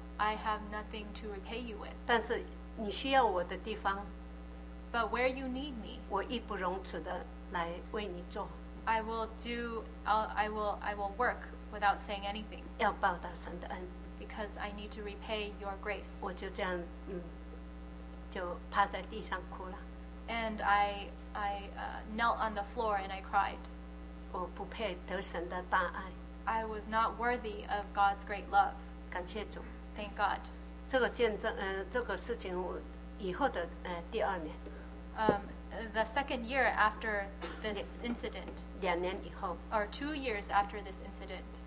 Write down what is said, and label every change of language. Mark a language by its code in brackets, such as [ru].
[en] I have nothing to repay you with. [zh] 但是你需要我的地方。 [en] But where you need me, [zh] 我义不容辞的来为你做。 [en] I will do, I will work without saying anything. [zh] 要报答神的恩。 [en] Because I need to repay your grace. [zh] 我就这样，就趴在地上哭了。 [en] And I knelt on the floor and I cried. [zh] 我不配得神的大爱。 [en] I was not worthy of God's great love. [zh] 感谢主。 [en] Thank God. [zh] 这个见证，这个事情我以后的第二年。 [en] The second year after this incident. [zh] 两年以后。 [en] Or 2 years after this incident.